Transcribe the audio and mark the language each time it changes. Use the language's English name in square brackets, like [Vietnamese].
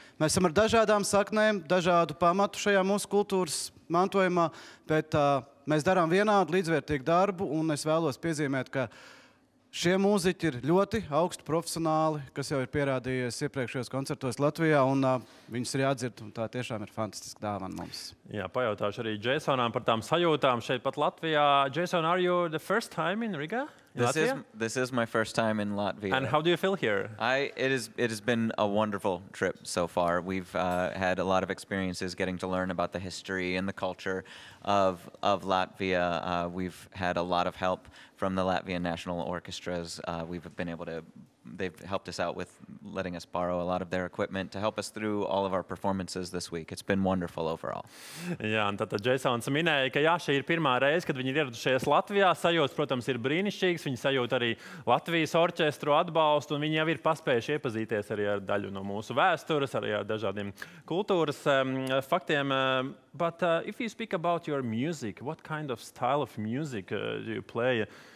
[Latvian] Mēs esam ar dažādām saknēm, dažādu pamatu šajā mūsu kultūras mantojumā, bet mēs darām vienādu līdzvērtīgu darbu. Un es vēlos piezīmēt, ka šie mūziķi ir ļoti augsti profesionāli, kas jau ir pierādījies iepriekšējos koncertos Latvijā, un viņus ir jāatdzird, un tā tiešām ir fantastiska dāvana mums. Jā, pajautāšu arī Jasonam par tām sajūtām šeit pat Latvijā. [English] Jason, are you the first time in Riga? This is my first time in Latvia. And how do you feel here? It has been a wonderful trip so far. We've had a lot of experiences getting to learn about the history and the culture of Latvia. We've had a lot of help from the Latvian national orchestras. They've helped us out with letting us borrow a lot of their equipment to help us through all of our performances this week. It's been wonderful overall. [Latvian] Jā, un tātad Jasons minēja, ka jā, šī ir pirmā reize, kad viņi ir ieradušies Latvijā. Sajūtas, protams, ir brīnišķīgas. Viņi sajūt arī Latvijas orķestru atbalstu, un viņi jau ir paspējuši iepazīties arī ar daļu no mūsu vēstures, arī ar dažādiem kultūras faktiem. [English] But if you speak about your music, what kind of style of music do you play?